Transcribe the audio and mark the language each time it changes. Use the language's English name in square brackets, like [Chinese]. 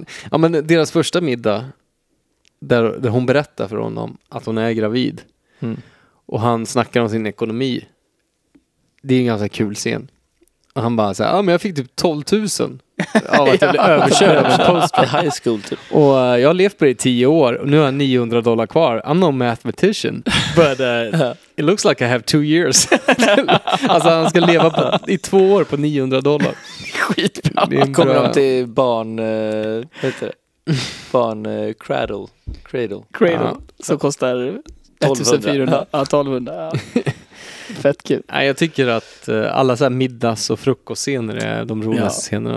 [Swedish] Ja, men deras första middag där hon berättar för honom att hon är gravid och han snackar om sin ekonomi, det är en ganska kul scen. Och han bara säger, ja men jag fick typ 12 000 av att jag blev överkörd av en post från high school typ. Och jag har levt på det i 10 år och nu har jag $900 kvar. [English] I'm no mathematician, but it looks like I have 2 years. [Swedish] Alltså han ska leva på, i 2 år på $900. Skitbra. Kommer de till barn heter det? Barn cradle. Så kostar 1200. Fett kul. Nej, jag tycker att alla så här middags- och frukostscener är de roligaste scenerna.